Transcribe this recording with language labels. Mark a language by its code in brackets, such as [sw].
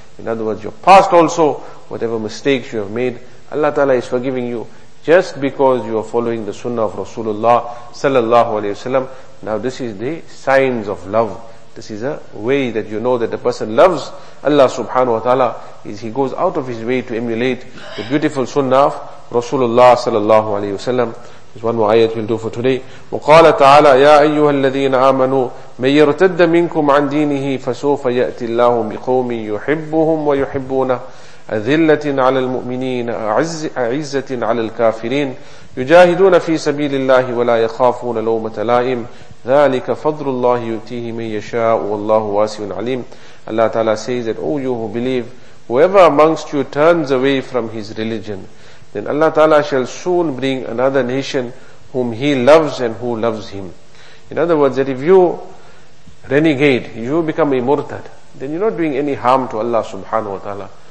[en] In other words, your past also, whatever mistakes you have made, Allah Ta'ala is forgiving you just because you are following the sunnah of Rasulullah sallallahu alayhi wa sallam. Now this is the signs of love. This is a way that you know that the person loves Allah subhanahu wa ta'ala, is he goes out of his way to emulate the beautiful sunnah of Rasulullah sallallahu alayhi wa sallam. There's one more ayat we'll do for today. [ar] وَقَالَ تَعَالَى يَا أَيُّهَا الَّذِينَ آمَنُوا مَنْ يَرْتَدَّ مِنْكُمْ عَنْ دِينِهِ فَسُوفَ يَأْتِ اللَّهُ بِقَوْمٍ يُحِبُّهُمْ وَيُحِبُّونَهُ أذلة على المؤمنين أعزة على الكافرين يجاهدون في سبيل الله ولا يخافون لومة لائم ذلك فضل الله يؤتيه من يشاء والله واسع عليم. [en] Allah Ta'ala says that, O you who believe, whoever amongst you turns away from his religion, then Allah Ta'ala shall soon bring another nation whom he loves and who loves him. In other words, that if you renegade, you become a murtad, then you're not doing any harm to Allah subhanahu wa ta'ala.